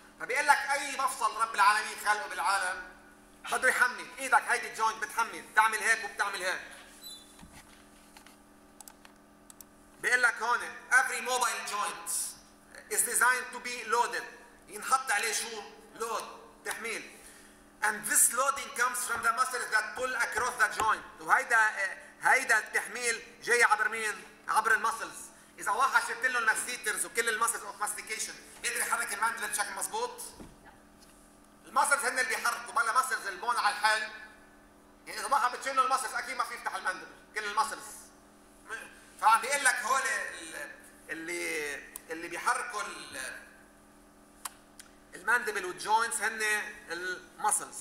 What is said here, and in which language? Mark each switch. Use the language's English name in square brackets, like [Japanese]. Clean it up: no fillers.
[Arabic] فبيقول لك اي مفصل رب العالمين خلقه بالعالم بده يحمل، ايدك هيدي الجوينت بتحمل، بتعمل هيك وبتعمل هيك. بيقول لك هون [English] every mobile joint is designed to be loaded، [Arabic] ينحط عليه شو؟ لود، تحميل. [English] And this loading comes from the muscles that pull across the joint، [Arabic] وهيدا هيدا التحميل جاي عبر مين؟ عبر المسلز. اذا واحد شفت له الماسيترز وكل المسلز اوف ماستيكيشن بيقدر يحرك المانديبل بشكل مزبوط؟ المسلز هن اللي بيحركوا، بلا مسلز البون على الحل، يعني اذا واحد بتشيل له المسلز اكيد ما بيفتح المانديبل، كل المسلز. فعم بيقول لك هول اللي بيحركوا المانديبل والجوينتس هن المسلز.